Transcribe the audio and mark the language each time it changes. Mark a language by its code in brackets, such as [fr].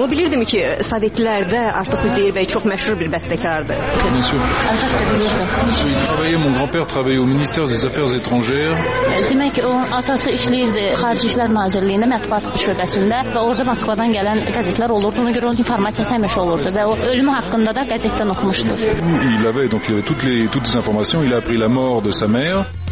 [az] O bilirdim ki, Sovetlərdə artıq Üzeyir bəy çox məşhur bir bəstəkardı. [fr] Bien sûr. Travaillé, mon grand-père travaillait au ministère des Affaires étrangères. [az] Demək o atası işləyirdi Xarici İşlər Nazirliyində mətbuat şöbəsində və orada Moskvadan gələn qəzetlər olurdu. Ona görə onun informasiyası həmişə olurdu və o ölümü haqqında da qəzetdən oxumuşdu. [fr] Il avait donc toutes les informations, il a appris la mort de sa mère.